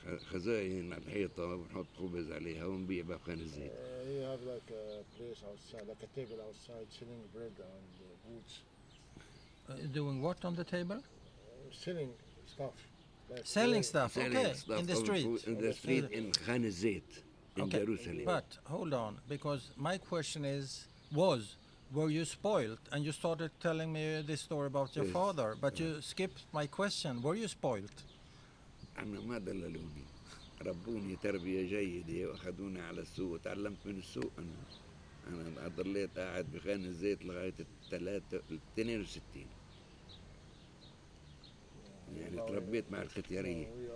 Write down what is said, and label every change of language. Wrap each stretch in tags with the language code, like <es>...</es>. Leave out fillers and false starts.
<ar>خزائن على الحيطة ونحط خبز عليها ونبيع بقان الزيت.</ar> <en>You have like a place outside, like a table outside, selling bread and boots. Doing what on the table? Selling stuff. Like selling stuff. Okay. Selling stuff in the street. In the street in Khan Zayt in Jerusalem. But hold on, because my question is was. Were you spoiled? And you started telling me this story about your father, but you skipped my question. Were you spoiled?</en> <ar>أنا ما دللوني ربوني تربية جيدة وأخذوني على السوق وتعلمت من السوق أنا ضليت قاعد بخان الزيت لغاية 62 يعني تربيت مع الختيارية</ar>